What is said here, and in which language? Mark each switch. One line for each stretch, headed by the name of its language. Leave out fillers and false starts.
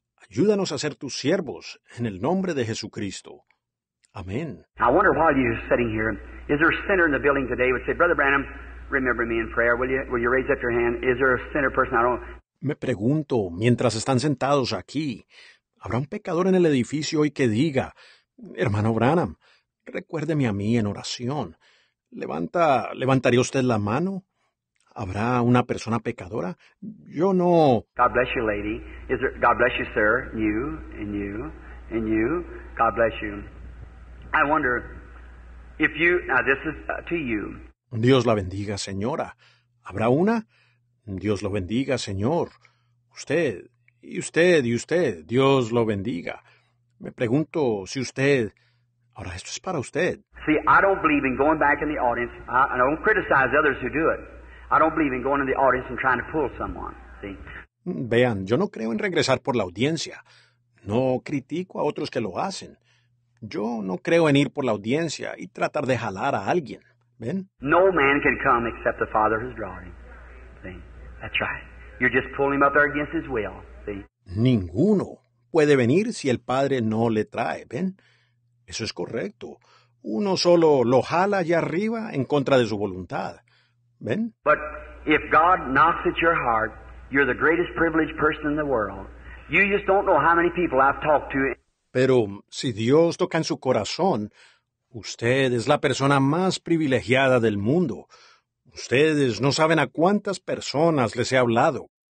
Spanish: Ayúdanos a ser tus siervos en el nombre de Jesucristo. Amén.
English: I wonder while you're sitting here, is there a sinner in the building today who would say, Brother Branham, remember me in prayer, will you? Will you raise up your hand? Is there a sinner person? I don't.
Spanish: Me pregunto, mientras están sentados aquí, ¿habrá un pecador en el edificio hoy que diga, hermano Branham, recuérdeme a mí en oración? ¿Levantaría usted la mano? ¿Habrá una persona pecadora? Yo no.
English: God bless you, lady. Is there, God bless you, sir. You, and you, and you. God bless you. I wonder if you, now this is to you.
Spanish: Dios la bendiga, señora. ¿Habrá una? Dios lo bendiga, Señor. Usted, y usted, y usted, Dios lo bendiga. Me pregunto si usted... Ahora, esto es para usted.
English: See, I don't believe in going back in the audience. I don't criticize others who do it. I don't believe in going in the audience and trying to pull someone. See?
Spanish: Vean, yo no creo en regresar por la audiencia. No critico a otros que lo hacen. Yo no creo en ir por la audiencia y tratar de jalar a alguien. ¿Ven?
English: No man can come except the Father who's drawing. That's right. You're just pulling him up there against his will. See?
Spanish: Ninguno puede venir si el Padre no le trae. ¿Ven? Eso es correcto. Uno solo lo jala allá arriba en contra de su voluntad. ¿Ven?
English: But if God knocks at your heart, you're the greatest privileged person in the world. You just don't know how many people I've talked to.
Spanish: Pero si Dios toca en su corazón, usted es la persona más privilegiada del mundo. Ustedes no saben a cuántas personas les he hablado.